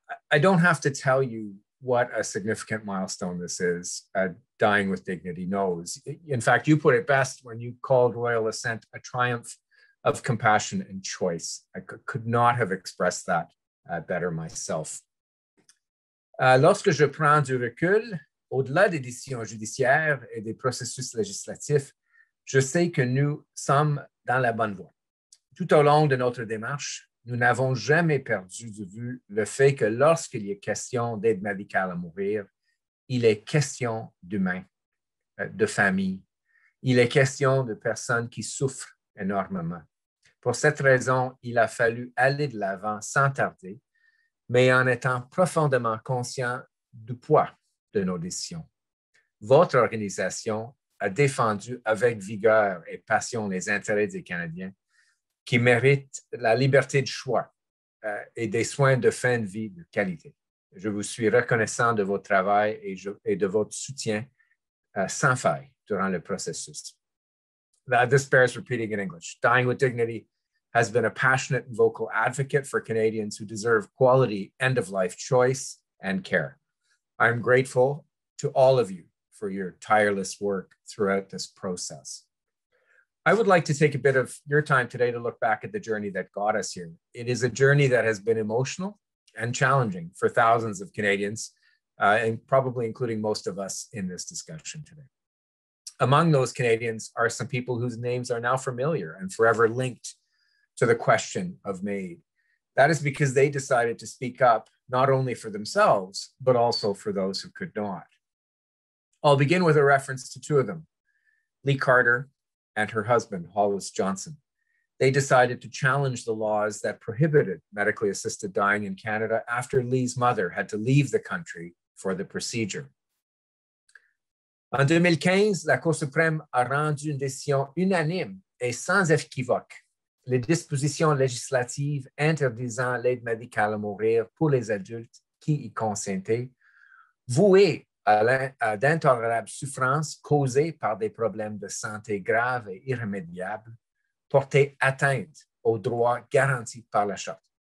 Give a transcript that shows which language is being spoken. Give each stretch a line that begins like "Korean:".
English: I don't have to tell you what a significant milestone this is. Dying with Dignity knows. In fact, you put it best when you called royal assent a triumph of compassion and choice. I could not have expressed that better myself.
French: Lorsque je prends du recul, au-delà des décisions judiciaires et des processus législatifs, je sais que nous sommes dans la bonne voie. Tout au long de notre démarche, nous n'avons jamais perdu de vue le fait que lorsqu'il y a question d'aide médicale à mourir, il est question d'humains, de familles. Il est question de personnes qui souffrent énormément. Pour cette raison, il a fallu aller de l'avant sans tarder, mais en étant profondément conscient du poids de nos décisions. Votre organisation a défendu avec vigueur et passion les intérêts des Canadiens qui méritent la liberté de choix et des soins de fin de vie de qualité. Je vous suis reconnaissant de votre travail et de votre soutien sans faille durant le processus.
English: This bears repeating in English. Dying with Dignity has been a passionate and vocal advocate for Canadians who deserve quality end-of-life choice and care. I'm grateful to all of you for your tireless work throughout this process. I would like to take a bit of your time today to look back at the journey that got us here. It is a journey that has been emotional and challenging for thousands of Canadians, and probably including most of us in this discussion today. Among those Canadians are some people whose names are now familiar and forever linked to the question of MAID. That is because they decided to speak up not only for themselves, but also for those who could not. I'll begin with a reference to two of them, Lee Carter and her husband, Hollis Johnson. They decided to challenge the laws that prohibited medically assisted dying in Canada after Lee's mother had to leave the country for the procedure.
French: En 2015, la Cour suprême a rendu une décision unanime et sans équivoque. Les dispositions législatives interdisant l'aide médicale à mourir pour les adultes qui y consentaient, vouées à d'intolérables souffrances causées par des problèmes de santé graves et irrémédiables, portaient atteinte aux droits garantis par la Charte.